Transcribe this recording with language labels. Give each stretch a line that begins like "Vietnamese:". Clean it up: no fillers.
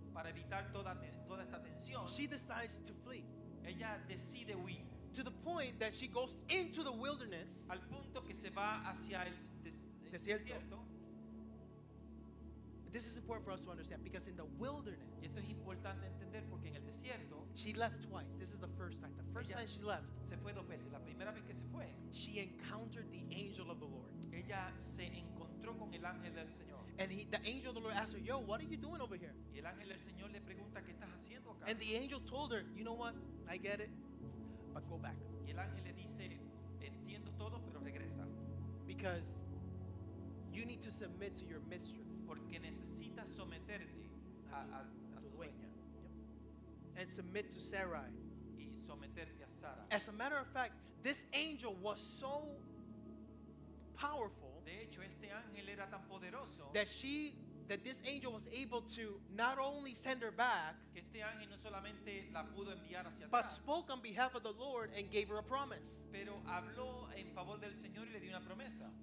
Spanish: Para evitar toda esta tensión.
English: She decides to flee.
Spanish: Ella decide huir.
English: To the point that she goes into the wilderness.
Spanish: Al punto que se va hacia el desierto.
English: This is important for us to understand because in the wilderness,
Spanish: y esto es importante entender porque en el desierto,
English: she left twice. This is the first time. The first time she left,
Spanish: se fue dos veces. La primera vez que se fue,
English: she encountered the angel of the Lord.
Spanish: Ella se encontró con el ángel del Señor.
English: And the angel of the Lord asked her, yo, what are you doing over here?
Spanish: Y el ángel del Señor le pregunta, ¿qué estás haciendo acá?
English: And the angel told her, you know what? I get it, but go back.
Spanish: Y el ángel le dice, entiendo todo, pero regresa.
English: Because you need to submit to your mistress.
Spanish: Porque necesitas someterte a tu dueña.
English: And submit to Sarai.
Spanish: Y someterte a Sara.
English: As a matter of fact, this angel was so powerful.
Spanish: De hecho, este ángel era tan poderoso.
English: That this angel was able to not only send her back,
Spanish: que este ángel no solamente la pudo enviar hacia
English: but
Spanish: atrás,
English: spoke on behalf of the Lord and gave her a promise.
Spanish: Pero habló en favor del Señor y le dio una promesa.